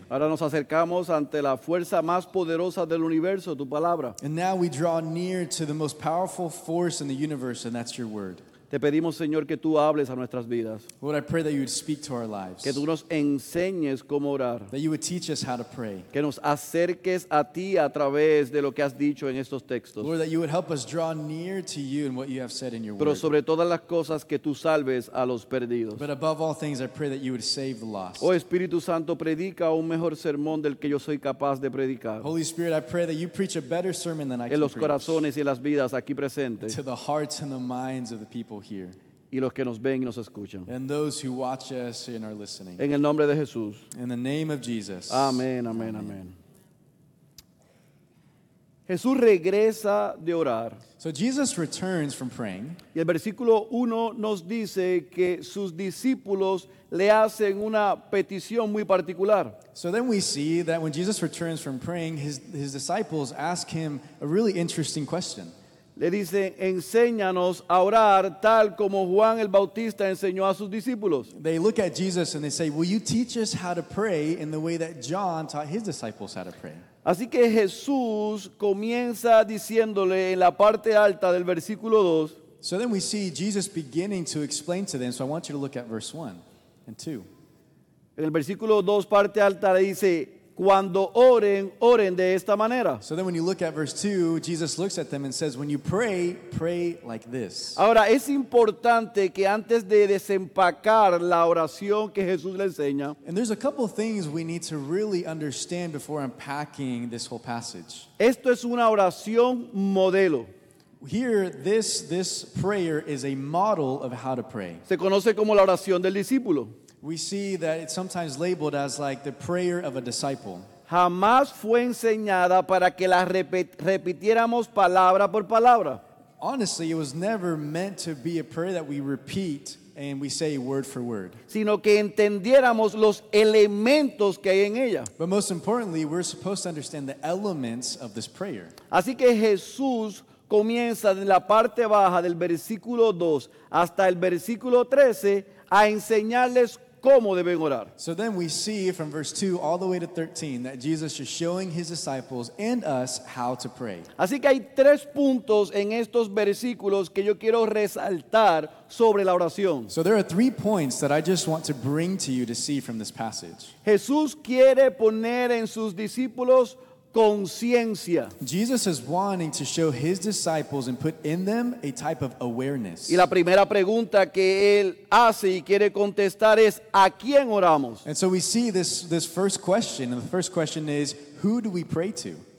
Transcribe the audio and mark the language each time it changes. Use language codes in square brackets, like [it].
[es] Ahora nos acercamos ante la fuerza más poderosa del universo, tu palabra. [en] And now we draw near to the most powerful force in the universe, and that's your word. [es] Te pedimos, Señor, que tú hables a nuestras vidas. [en] Lord, I pray that you would speak to our lives. [es] Que tú nos enseñes cómo orar. [en] That you would teach us how to pray. [es] Que nos acerques a ti a través de lo que has dicho en estos textos. [en] Lord, that you would help us draw near to you and what you have said in your word. [es] Pero sobre todas las cosas, que tú salves a los perdidos. [en] But above all things, I pray that you would save the lost. [es] Oh, Espíritu Santo, predica un mejor sermón del que yo soy capaz de predicar. [en] Holy Spirit, I pray that you preach a better sermon than I can preach. [es] En los corazones y las vidas aquí presentes. [en] To the hearts and the minds of the people. people here. [es] Y los que nos ven y nos escuchan. [en] And those who watch us and are listening. [es] En el nombre de Jesús. [en] In the name of Jesus. [es] Amén, amén, amén. Jesús regresa de orar. [en] So Jesus returns from praying. [es] Y el versículo 1 nos dice que sus discípulos le hacen una petición muy particular. [en] So then we see that when Jesus returns from praying, his disciples ask him a really interesting question. [es] Le dice, enséñanos a orar tal como Juan el Bautista enseñó a sus discípulos. [en] They look at Jesus and they say, will you teach us how to pray in the way that John taught his disciples how to pray? [es] Así que Jesús comienza diciéndole en la parte alta del versículo 2. [en] So then we see Jesus beginning to explain to them. So I want you to look at verse 1 and 2. [es] En el versículo 2, parte alta, le dice, cuando oren, oren de esta manera. [en] So then when you look at verse 2, Jesus looks at them and says, when you pray, pray like this. [es] Ahora, es importante que antes de desempacar la oración que Jesús le enseña. [en] And there's a couple of things we need to really understand before unpacking this whole passage. [es] Esto es una oración modelo. [en] Here, this prayer is a model of how to pray. [es] Se conoce como la oración del discípulo. [en] We see that it's sometimes labeled as like the prayer of a disciple. [es] Jamás fue enseñada para que la repitiéramos palabra por palabra. [en] Honestly, it was never meant to be a prayer that we repeat and we say word for word. [es] Sino que entendiéramos los elementos que hay en ella. [en] But most importantly, we're supposed to understand the elements of this prayer. [es] Así que Jesús comienza en la parte baja del versículo 2 hasta el versículo 13 a enseñarles cómo deben orar. [en] So then we see from verse 2 all the way to 13 that Jesus is showing his disciples and us how to pray. [es] Así que hay tres puntos en estos versículos que yo quiero resaltar sobre la oración. [en] So there are three points that I just want to bring to you to see from this passage. [es] Jesús quiere poner en sus discípulos conciencia. [en] Jesus is wanting to show his disciples and put in them a type of awareness. [es] Y la primera pregunta que él hace y quiere contestar es, ¿a quién oramos? [en] And so we see this first question, and the first question is, who do we pray to?